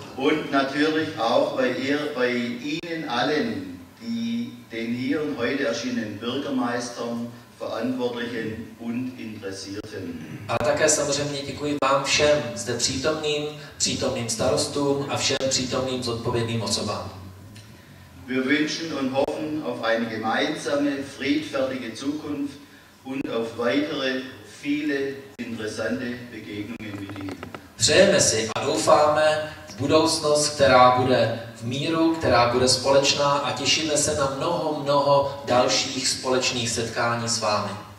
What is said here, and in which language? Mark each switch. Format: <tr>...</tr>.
<de>Und natürlich auch bei Ihnen allen, den hier und heute erschienenen Bürgermeistern, Verantwortlichen und Interessierten.</de> <cs>Ale také samozřejmě děkuji vám všem zde přítomným, přítomným starostům a všem přítomným zodpovědným osobám.</cs> <de>Wir wünschen und hoffen auf eine gemeinsame, friedfertige Zukunft und auf weitere, viele interessante Begegnungen mit ihm.</de> <cs>Přejeme si a doufáme v budoucnost, která bude v míru, která bude společná a těšíme se na mnoho, mnoho dalších společných setkání s vámi.</cs>